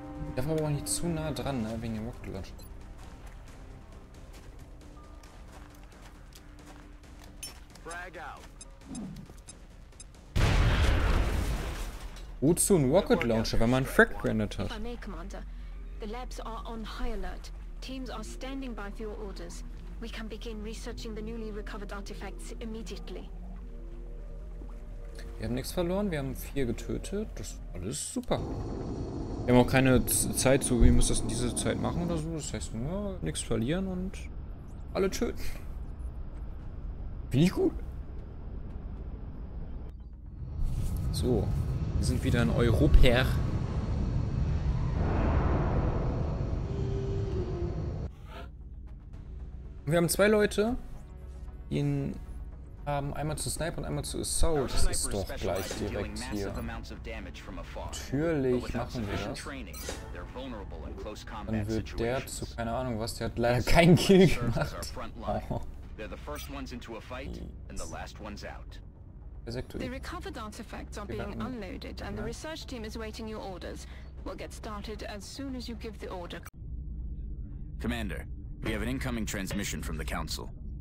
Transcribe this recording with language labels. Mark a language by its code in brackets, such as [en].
[de] Ich darf aber auch nicht zu nah dran, ne? Wegen dem Rocket Launcher. Frag out. Wozu ein Rocket Launcher, wenn man einen Frag Grenade hat? [en] The labs are on high alert. Teams are standing by for your orders. We can begin researching the newly recovered artifacts immediately. [de] Wir haben nichts verloren. Wir haben 4 getötet. Das ist alles super. Wir haben auch keine Zeit zu. Wir müssen das in dieser Zeit machen oder so. Das heißt nur, nichts verlieren und alle töten. Finde ich gut. So. Wir sind wieder in Europa. Wir haben 2 Leute, die ihn haben, einmal zu Snipe und einmal zu Assault. Das ist doch gleich direkt hier. Natürlich machen wir das. Dann wird der zu, keine Ahnung was, der hat leider keinen Kill gemacht. Oh. [en] The recovered artifacts are being unloaded and the research team is waiting your orders. We'll get started as soon as you give the order. Commander. We have an incoming transmission from the Council.